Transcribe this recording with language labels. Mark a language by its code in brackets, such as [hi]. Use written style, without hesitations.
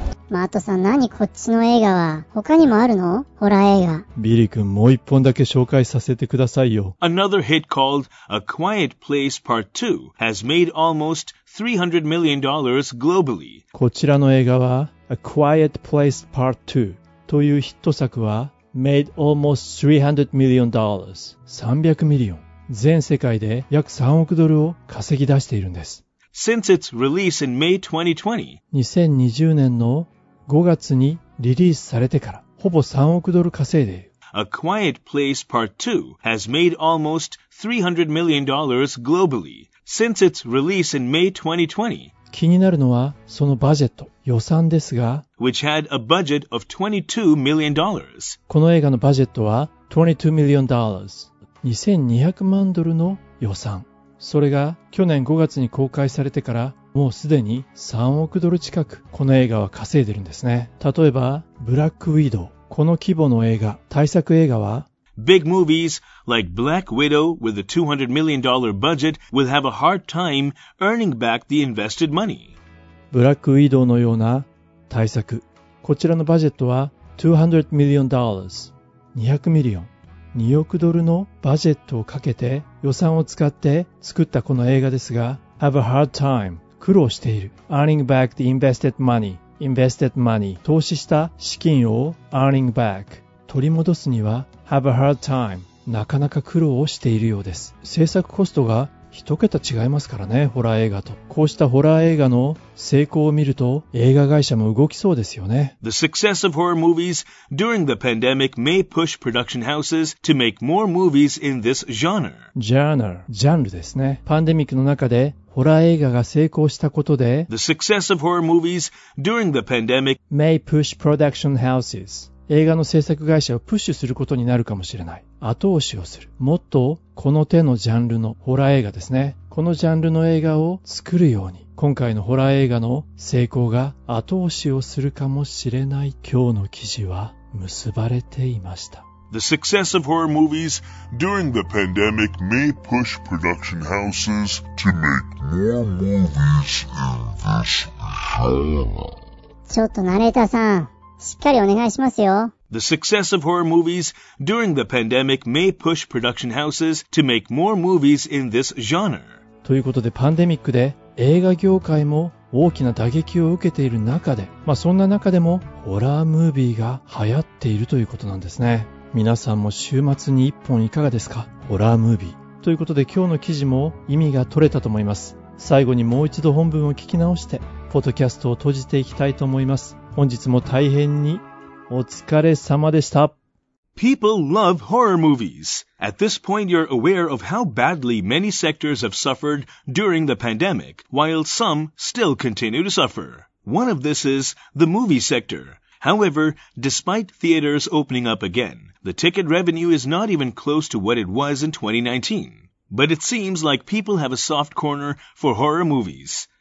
[ja] マートさん、何こっちの映画は他にもあるの？ホラー映画。ビリ君、もう一本だけ紹介させてくださいよ。 [en] Another hit called A Quiet Place Part 2 has made almost $300 million globally. [ja] こちらの映画は A Quiet Place Part 2というヒット作は [en] made almost $300 million. 300 million。 [ja] 全世界で約3億ドルを稼ぎ出しているんです。 [en] Since its release in May 2020, [ja] 2020年の5月にリリースされてから、ほぼ3億ドル稼いでいる。 [en] A Quiet Place Part 2 has made almost $300 million globally. Since its release in May 2020, [ja] 気になるのはそのバジェット、予算ですが、 [en] which had a budget of $22 million. [ja] この映画のバジェットは $22 million. 2200万ドルの予算。それが去年5月に公開されてからもうすでに3億ドル近くこの映画は稼いでるんですね。例えばブラックウィドウ、この規模の映画、対策映画は [en] Big movies like Black Widow with a $200 million budget will have a hard time earning back the invested money. [ja] ブラックウィドウのような対策、こちらのバジェットは200 million dollars 200 million2億ドルのバジェットをかけて予算を使って作ったこの映画ですが [en] Have a hard time [ja] 苦労している [en] Earning back the invested money Invested money [ja] 投資した資金を [en] Earning back [ja] 取り戻すには Have a hard time なかなか苦労をしているようです。制作コストが一桁違いますからね、ホラー映画と。こうしたホラー映画の成功を見ると、映画会社も動きそうですよね。 [en] The success of horror movies during the pandemic may push production houses to make more movies in this genre. [ja] Genre、ジャンルですね。パンデミックの中で、ホラー映画が成功したことで、 [en] The success of horror movies during the pandemic may push production houses. [ja] 映画の制作会社をプッシュすることになるかもしれない。後押しをする。もっと、この手のジャンルのホラー映画ですね。このジャンルの映画を作るように、今回のホラー映画の成功が後押しをするかもしれない今日の記事は結ばれていました。 [en] The success of horror movies during the pandemic may push production houses to make more movies in this genre. [ja] ちょっとナレーターさん、しっかりお願いしますよ。 [en] The success of horror movies during the pandemic may push production houses to make more movies in this genre. [ja] ということで、パンデミックで映画業界も大きな打撃を受けている中で、まあそんな中でもホラームービーが流行っているということなんですね。皆さんも週末に一本いかがですか？ホラームービー。ということで今日の記事も意味が取れたと思います。最後にもう一度本文を聞き直して、ポッドキャストを閉じていきたいと思います。本日も大変にお疲れ様でした。 [en] People love horror movies. At this point, you're aware of how badly many sectors have suffered during the pandemic, while some still continue to suffer. One of this is the movie sector. However, despite theaters opening up again, the ticket revenue is not even close to what it was in 2019. But it seems like people have a soft corner for horror movies.